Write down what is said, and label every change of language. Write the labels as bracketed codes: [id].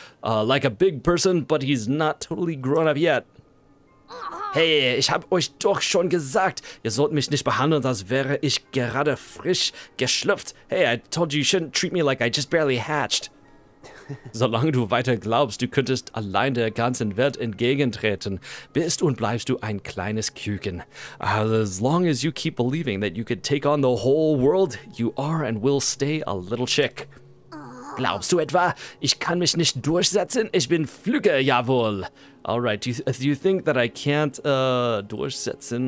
[en] Like a big person, but he's not totally grown up yet. [de] Hey, ich hab euch doch schon gesagt, ihr sollt mich nicht behandeln, als wäre ich gerade frisch geschlüpft. [en] Hey, I told you, you shouldn't treat me like I just barely hatched. [de] Solange du weiter glaubst, du könntest allein der ganzen Welt entgegentreten, bist und bleibst du ein kleines Küken. [en] As long as you keep believing that you could take on the whole world, you are and will stay a little chick. [de] Glaubst du etwa? Ich kann mich nicht durchsetzen. Ich bin Flügge, jawohl. [en] Alright, do you think that I can't durchsetzen?